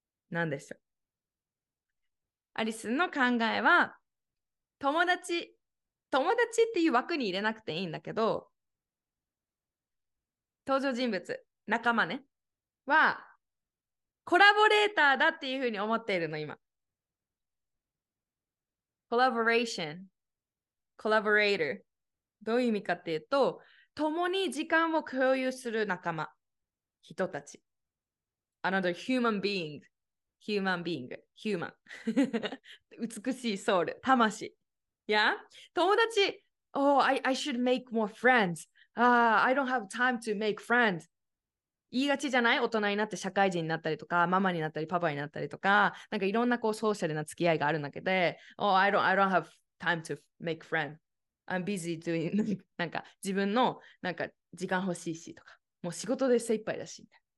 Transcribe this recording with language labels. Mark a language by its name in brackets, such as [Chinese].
[Japanese] なんでしょう。アリスンの考えは、友達っていう枠に入れなくていいんだけど、登場人物、仲間ね、はコラボレーターだっていうふうに思っているの今。コラボレーション、コラボレーター。どういう意味かっていうと、共に時間を共有する仲間、人たち。 [English] Another human being, human being, human. [Japanese] 美しいソウル、魂。 [English] Yeah? 友達、I should make more friends. I don't have time to make friends. [Japanese] 言いがちじゃない？大人になって社会人になったりとか、ママになったり、パパになったりとか、なんかいろんなこうソーシャルな付き合いがある中で、 [English] I don't have time to make friends. I'm busy doing, [Japanese] なんか自分のなんか時間欲しいしとか、もう仕事で精一杯だし。